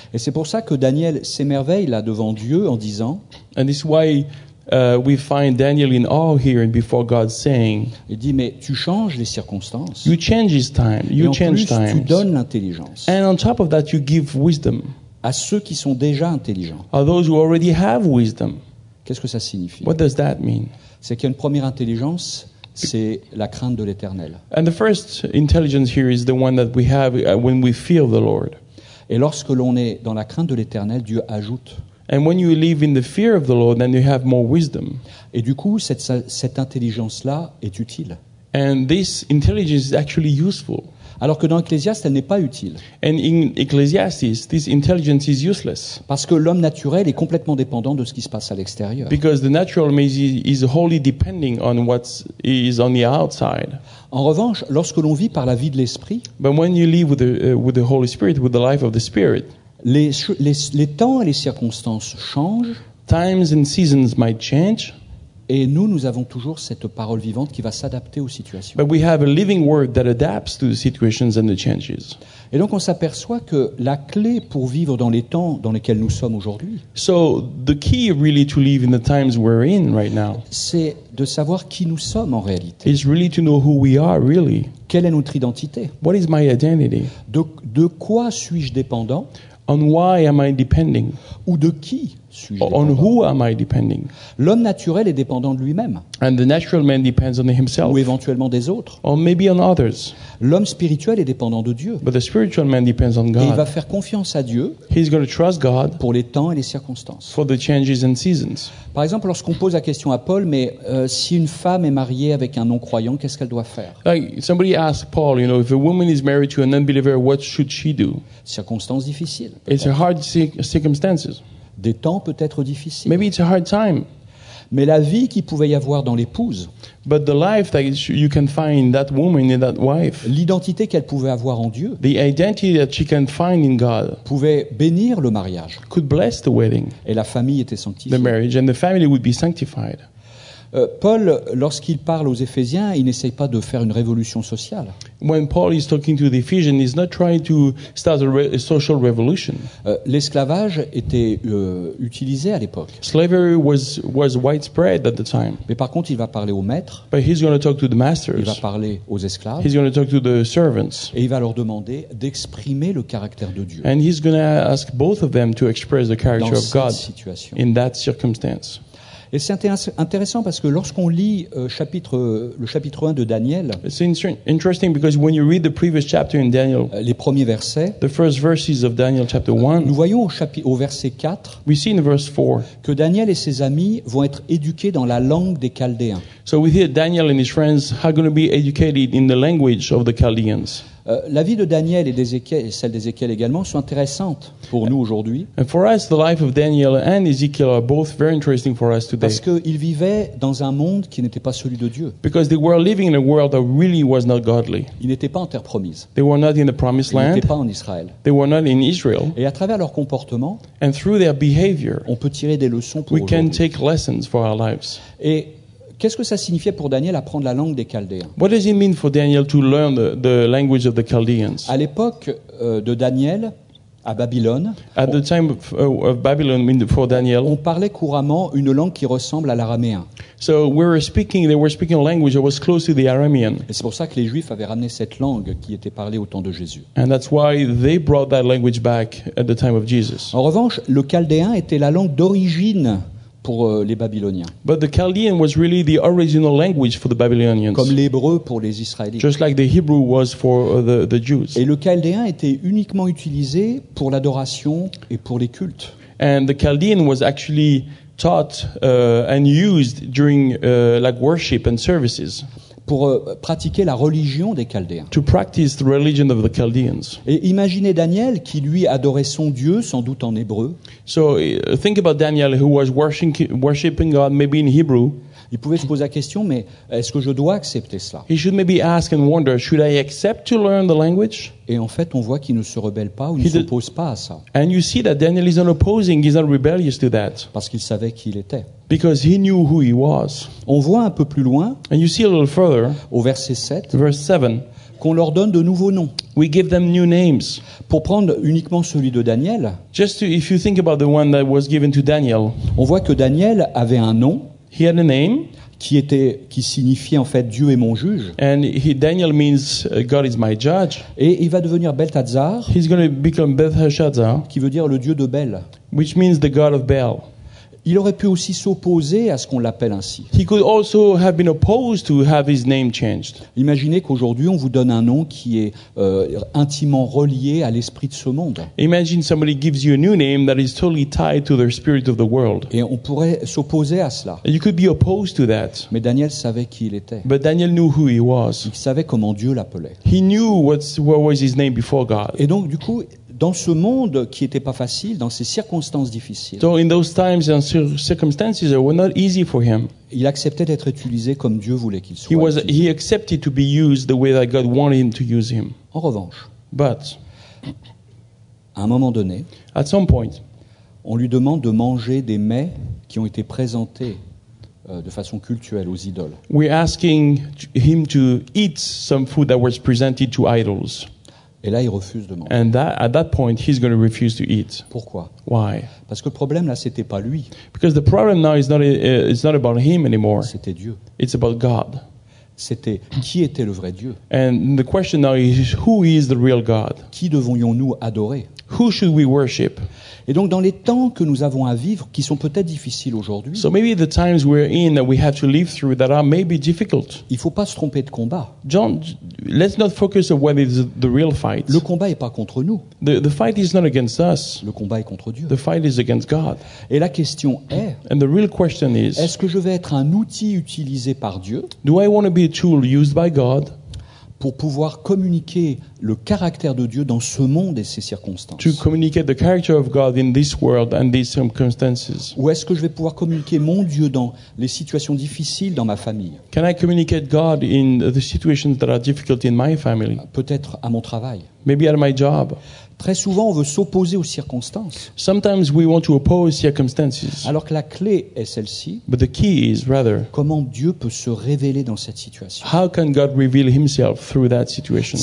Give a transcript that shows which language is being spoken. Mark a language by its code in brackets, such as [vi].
[fr] Et c'est pour ça que Daniel s'émerveille là devant Dieu en disant [en] And this is why we find Daniel in awe here and before God saying, [fr] Il dit, mais tu changes les circonstances. [en] You change his time. You change times. [fr] Tu donnes l'intelligence. [en] And on top of that, you give wisdom. [fr] À ceux qui sont déjà intelligents. [en] Are those who already have wisdom. [fr] Qu'est-ce que ça signifie? [en] What does that mean? [fr] C'est qu'il y a une première intelligence, c'est la crainte de l'Éternel. [en] And the first intelligence here is the one that we have when we fear the Lord. [fr] Et lorsque l'on est dans la crainte de l'Éternel, Dieu ajoute. [en] And when you live in the fear of the Lord, then you have more wisdom. [fr] Et du coup, cette intelligence-là est utile. [en] And this intelligence is actually useful. [fr] Alors que dans Ecclésiaste, elle n'est pas utile. [en] And in Ecclesiastes, this intelligence is useless. [fr] Parce que l'homme naturel est complètement dépendant de ce qui se passe à l'extérieur. [en] Because the natural man is wholly depending on what is on the outside. [fr] En revanche, lorsque l'on vit par la vie de l'esprit, [en] but when you live with the Holy Spirit, with the life of the Spirit. [fr] Les temps et les circonstances changent. [en] Times and seasons might change. [fr] Et nous avons toujours cette parole vivante qui va s'adapter aux situations. [en] But we have a living word that adapts to the situations and the changes. [fr] Et donc on s'aperçoit que la clé pour vivre dans les temps dans lesquels nous sommes aujourd'hui. [en] So the key really to live in the times we're in right now. [fr] C'est de savoir qui nous sommes en réalité. [en] Is really to know who we are really. [fr] Quelle est notre identité? [en] What is my identity? [fr] De quoi suis-je dépendant? [en] On why am I depending? [fr] Ou de qui suis-je dépendant? [en] On who am I depending? [fr] L'homme naturel est dépendant de lui-même. [en] And the natural man depends on himself. [fr] Ou éventuellement des autres. [en] Or maybe on others. [fr] L'homme spirituel est dépendant de Dieu. [en] But the spiritual man depends on God. [fr] Et il va faire confiance à Dieu. [en] He's going to trust God. [fr] Pour les temps et les circonstances. [en] For the changes and seasons. [fr] Par exemple, lorsqu'on pose la question à Paul, mais si une femme est mariée avec un non-croyant, qu'est-ce qu'elle doit faire? [en] Like somebody asked Paul, you know, if a woman is married to an unbeliever, what should she do? [fr] Circonstances difficiles. [en] It's a hard circumstances. [fr] Des temps peut-être difficiles. [en] Maybe it's a hard time. [fr] Mais la vie qu'il pouvait y avoir dans l'épouse. [en] But the life that you can find that woman in that wife. [fr] L'identité qu'elle pouvait avoir en Dieu. [en] The identity that she can find in God. [fr] Pouvait bénir le mariage. [en] Could bless the wedding. [fr] Et la famille était sanctifiée. [en] The marriage and the family would be sanctified. [fr] Paul, lorsqu'il parle aux Éphésiens, il n'essaye pas de faire une révolution sociale. [en] When Paul is talking to the Ephesians, he's not trying to start a social revolution. [fr] L'esclavage était utilisé à l'époque. [en] Slavery was widespread at the time. [fr] Mais par contre, il va parler aux maîtres. [en] But he's going to talk to the masters. [fr] Il va parler aux esclaves. [en] He's going to talk to the servants. [fr] Et il va leur demander d'exprimer le caractère de Dieu. [en] And he's going to ask both of them to express the character [fr] dans [en] of God [fr] situation. [en] In that circumstance. [fr] Et c'est intéressant parce que lorsqu'on lit le chapitre 1 de Daniel, [en] interesting because when you read the previous chapter in Daniel, [fr] les premiers versets, [en] the first verses of Daniel chapter 1, [fr] nous voyons au verset 4, [en] we see in verse 4 [fr] que Daniel et ses amis vont être éduqués dans la langue des Chaldéens. [en] So we hear Daniel and his friends are going to be educated in the language of the Chaldeans. [fr] La vie de Daniel et d'Ézéchiel, et celle d'Ézéchiel également, sont intéressantes pour nous aujourd'hui. [en] And for us, the life of Daniel and Ezekiel are both very interesting for us today. [fr] Parce qu'ils vivaient dans un monde qui n'était pas celui de Dieu. [en] Because they were living in a world that really was not godly. [fr] Ils n'étaient pas en terre promise. [en] They were not in the promised land. [fr] Ils n'étaient pas en Israël. [en] They were not in Israel. [fr] Et à travers leur comportement, [en] and through their behavior, [fr] on peut tirer des leçons pour [en] we [fr] aujourd'hui. [en] We can take lessons for our lives. [fr] Et qu'est-ce que ça signifiait pour Daniel apprendre la langue des Chaldéens? [en] What does it mean for Daniel to learn the language of the Chaldeans? [fr] À l'époque de Daniel, à Babylone. [en] At the time of Babylon, for Daniel. [fr] On parlait couramment une langue qui ressemble à l'araméen. [en] So they were speaking a language that was close to the Aramean. [fr] Et c'est pour ça que les Juifs avaient ramené cette langue qui était parlée au temps de Jésus. [en] And that's why they brought that language back at the time of Jesus. [fr] En revanche, le Chaldéen était la langue d'origine. Pour les Babyloniens. [en] But the Chaldean was really the original language for the Babylonians. [fr] Comme l'hébreu pour les Israélites. [en] Just like the Hebrew was for the Jews. [fr] Et le Chaldéen était uniquement utilisé pour l'adoration et pour les cultes. [en] And the Chaldean was actually taught and used during like worship and services. [fr] Pour pratiquer la religion des Chaldéens. [en] To practice the religion of the Chaldeans. [fr] Et imaginez Daniel qui lui adorait son Dieu sans doute en hébreu. [en] So think about Daniel who was worshiping God maybe in Hebrew. [fr] Il pouvait se poser la question, mais est-ce que je dois accepter cela? [en] He should maybe ask and wonder, should I accept to learn the language? [fr] Et en fait, on voit qu'il ne se rebelle pas ou ne s'oppose pas à ça. [en] And you see that Daniel is not opposing, he's not rebellious to that. [fr] Parce qu'il savait qui il était. [en] Because he knew who he was. [fr] On voit un peu plus loin. [en] And you see a little further. [fr] Au verset 7. [en] Verse 7. [fr] Qu'on leur donne de nouveaux noms. [en] We give them new names. [fr] Pour prendre uniquement celui de Daniel. [en] Just to, if you think about the one that was given to Daniel. [fr] On voit que Daniel avait un nom. [en] He had a name. [fr] Qui signifiait en fait Dieu est mon juge. [en] And Daniel means God is my judge. [fr] Et il va devenir Belshazzar. [en] He's going to become Belshazzar. [fr] Qui veut dire le Dieu de Bel. [en] Which means the God of Bel. [fr] Il aurait pu aussi s'opposer à ce qu'on l'appelle ainsi. [en] He could also have been opposed to have his name changed. [fr] Imaginez qu'aujourd'hui on vous donne un nom qui est intimement relié à l'esprit de ce monde. [en] Imagine somebody gives you a new name that is totally tied to the spirit of the world. [fr] Et on pourrait s'opposer à cela. [en] You could be opposed to that. [fr] Mais Daniel savait qui il était. [en] But Daniel knew who he was. [fr] Il savait comment Dieu l'appelait. [en] He knew what was his name before God. [fr] Et donc du coup dans ce monde qui n'était pas facile, dans ces circonstances difficiles. [en] So in those times and circumstances that were not easy for him. [fr] Il acceptait d'être utilisé comme Dieu voulait qu'il soit. [en] He accepted to be used the way that God wanted him to use him. [fr] En revanche, [en] but [fr] à un moment donné, [en] at some point, [fr] on lui demande de manger des mets qui ont été présentés de façon culturelle aux idoles. [en] We're asking him to eat some food that was presented to idols. [fr] Et là, il refuse de manger. [en] And that, at that point, he's going to refuse to eat. [fr] Pourquoi? [en] Why? [fr] Parce que le problème là, c'était pas lui. [en] Because the problem now is not it's not about him anymore. [fr] C'était Dieu. [en] It's about God. [fr] C'était qui était le vrai Dieu? [en] And the question now is who is the real God? [fr] Qui devrions-nous adorer? [en] Who should we worship? [fr] Et donc, dans les temps que nous avons à vivre, qui sont peut-être difficiles aujourd'hui. [en] So maybe the times we're in that we have to live through that are maybe difficult. [fr] Il faut pas se tromper de combat. [en] John, let's not focus on what is the real fight. [fr] Le combat est pas contre nous. [en] The fight is not against us. [fr] Le combat est contre Dieu. [en] The fight is against God. [fr] Et la question est. [en] And the real question is. [fr] Est-ce que je vais être un outil utilisé par Dieu? [en] Do I want to be a tool used by God? [fr] Pour pouvoir communiquer le caractère de Dieu dans ce monde et ces circonstances. [en] To communicate the character of God in this world and these circumstances. [fr] Ou est-ce que je vais pouvoir communiquer mon Dieu dans les situations difficiles dans ma famille? [en] Can I communicate God in the situations that are difficult in my family? [fr] Peut-être à mon travail. [en] Maybe at my job. [fr] Très souvent, on veut s'opposer aux circonstances. [en] Sometimes we want to oppose circumstances. [fr] Alors que la clé est celle-ci. [en] But the key is rather. [fr] Comment Dieu peut se révéler dans cette situation? [en] How can God reveal Himself through that situation?